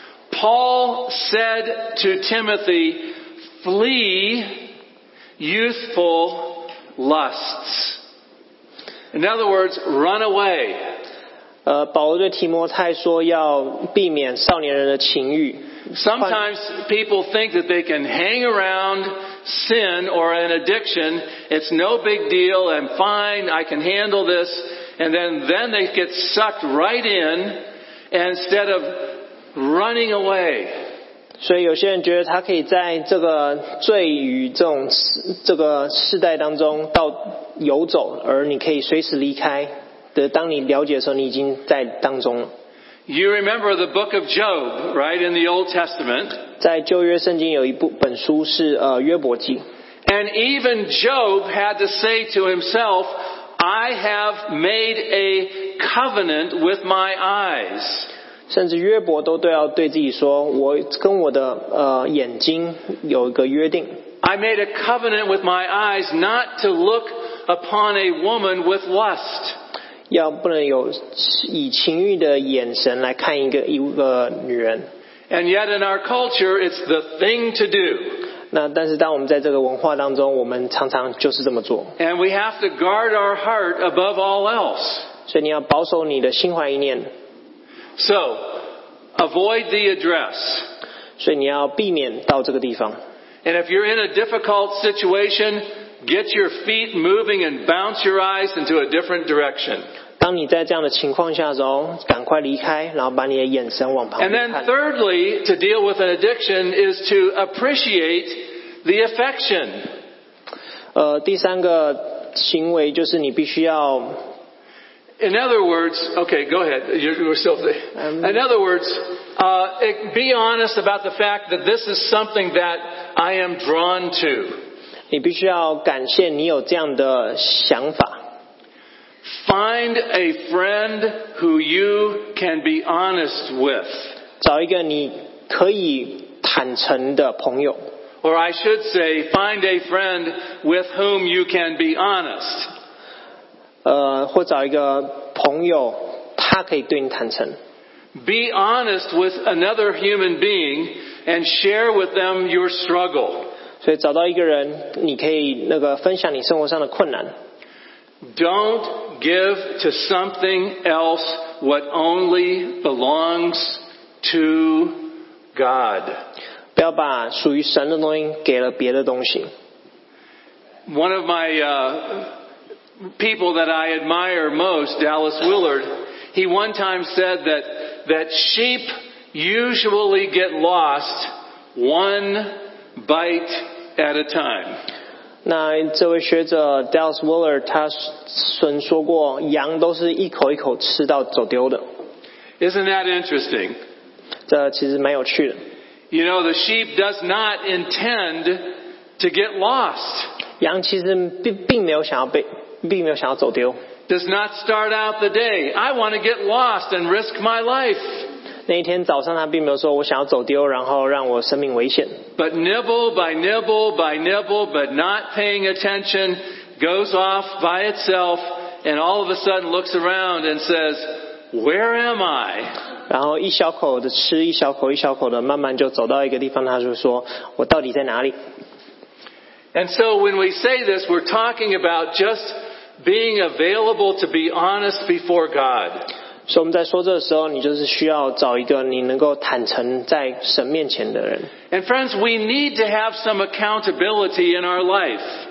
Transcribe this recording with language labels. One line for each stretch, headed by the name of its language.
English: Paul said to Timothy, flee youthful lusts. In other words, run away.
Chinese: 保罗对提摩太说要避免少年人的情欲。
English: Sometimes people think that they can hang around sin or an addiction. It's no big deal. I'm fine. I can handle this. And then they get sucked right in instead of running away.
Chinese: 所以有些人觉得他可以在这个罪与这个世代当中到游走，而你可以随时离开。当你了解的时候，你已经在当中了。
English: You remember the book of Job, right, in the Old Testament.
Chinese: 在旧约圣经有一本书是约伯记。
English: And even Job had to say to himself, I have made a covenant with my eyes.
Chinese: 甚至约伯都要对自己说，我跟我的眼睛有一个约定。
English: I made a covenant with my eyes not to look upon a woman with lust.
Chinese: 要不能有以情欲的眼神来看一个女人。
English: And yet in our culture, it's the thing to do.
Chinese: 那但是当我们在这个文化当中，我们常常就是这么做。
English: And we have to guard our heart above all else.
Chinese: 所以你要保守你的心怀意念。
English: So, avoid the address.
Chinese: 所以你要避免到这个地方。
English: And if you're in a difficult situation, get your feet moving and bounce your eyes into a different direction.
Chinese: 当你在这样的情况下的时候，赶快离开，然后把你的眼神往旁边看。
English: And then thirdly, to deal with an addiction is to appreciate the affection.
Chinese: 第三个行为就是你必须要。
English: In other words, okay, go ahead. You're still there. In other words, be honest about the fact that this is something that I am drawn to.
Chinese: 你必须要感谢你有这样的想法。
English: Find a friend who you can be honest with.
Chinese: 找一个你可以坦诚的朋友。
English: Or I should say, find a friend with whom you can be honest.
Chinese: 或找一个朋友，他可以对你坦诚。
English: Be honest with another human being and share with them your struggle.
Chinese: 所以找到一个人，你可以那个分享你生活上的困难。
English: Don't give to something else what only belongs to God.
Chinese: 不要把属于神的东西给了别的东西。
English: One of my people that I admire most, Dallas Willard, he one time said that sheep usually get lost one bite at a time.
Chinese: 那这位学者 Dallas Willard 他曾说过，羊都是一口一口吃到走丢的。
English: Isn't that interesting?
Chinese: 这其实蛮有趣的。
English: You know, the sheep does not intend to get lost.
Chinese: 羊其实并没有想要走丢。
English: Does not start out the day, I want to get lost and risk my life.
Chinese: 那一天早上他并没有说我想要走丢，然后让我生命危险。
English: But nibble by nibble by nibble, but not paying attention, goes off by itself, and all of a sudden looks around and says, "Where am I?"
Chinese: 然后一小口的吃，一小口一小口的，慢慢就走到一个地方，他就说，我到底在哪里？
English: And so when we say this, we're talking about just being available to be honest before God.
Chinese: 所以我们在说这个时候，你就是需要找一个你能够坦诚在神面前的人。
English: And friends, we need to have some accountability in our life.